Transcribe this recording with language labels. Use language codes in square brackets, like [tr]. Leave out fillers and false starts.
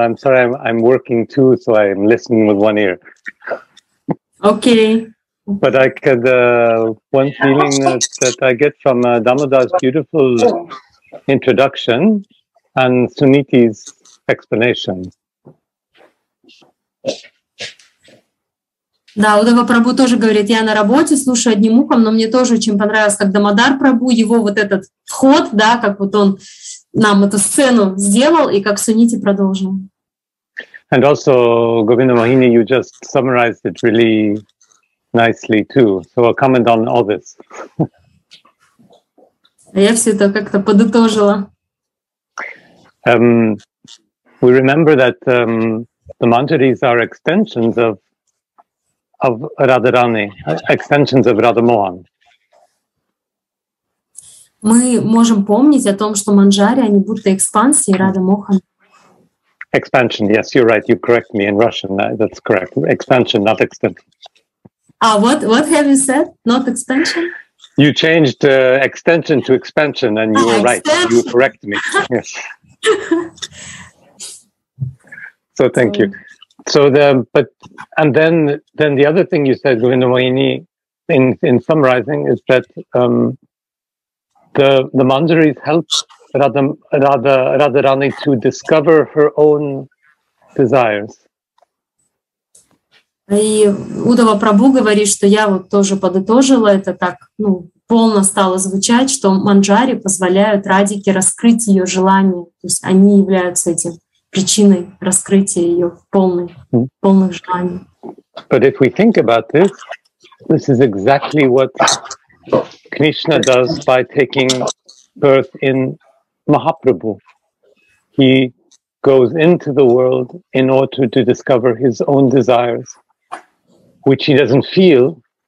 [en] I'm sorry, I'm working too, so I'm listening with one ear. Okay. But I could, one feeling that I get from Damodar's beautiful introduction and Suniti's explanation. [ru] Да, Uddhava Prabhu тоже говорит, я на работе, слушаю одним ухом, но мне тоже очень понравилось, как Дамодар Прабу, его вот этот вход, да, как вот он нам эту сцену сделал, и как Сунити продолжил. [en] And also, Govinda Mohini, you just summarized it really nicely too, so I'll comment on all this. [ru] Я все это как-то подытожила. [en] We remember that the Manjaris are extensions of Radharani, extensions of Radha Mohan. [ru] Мы можем помнить о том, что Манджари, они будто экспансии Радха Мохан. [en] Expansion, yes, you're right, you correct me in Russian, that's correct. Expansion, not extension. What have you said? Not extension? You changed extension to expansion and you were right, you correct me, yes. So thank you. So then the other thing you said, Govinda Mohini, in summarizing is that the Manjaris help Radharani to discover her own desires. [ru] И Uddhava Prabhu говорит, что я вот тоже подытожила это так, ну, полно стало звучать, что Манджари позволяют Радике раскрыть ее желания, то есть они являются этим. Причиной раскрытия ее полных желаний. [en] But if we think about this, this is exactly what Krishna does by taking birth in Mahaprabhu. He goes into the world in order to discover his own desires, which he doesn't feel.